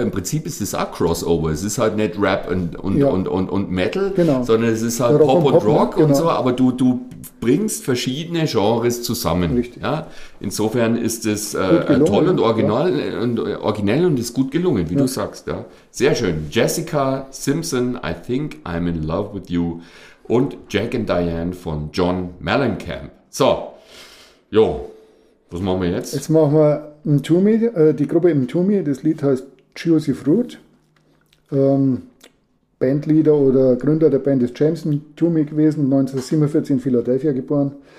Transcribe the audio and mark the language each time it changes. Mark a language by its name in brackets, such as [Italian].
[German] Im Prinzip ist das auch Crossover. Es ist halt nicht Rap und Metal, genau, sondern es ist halt Rock Pop und Rock, genau, und so. Aber du bringst verschiedene Genres zusammen. Richtig. Ja? Insofern ist es toll und original, und originell und ist gut gelungen, wie du sagst. Ja? Sehr schön. [English] Jessica Simpson, I think I'm in love with you. [German] Und Jack and Diane von John Mellencamp. So, jo, was machen wir jetzt? Jetzt machen wir Intoomi, die Gruppe Intoomi. Das Lied heißt Juicy Fruit. Bandleader oder Gründer der Band ist James Intoomi gewesen, 1947 in Philadelphia geboren.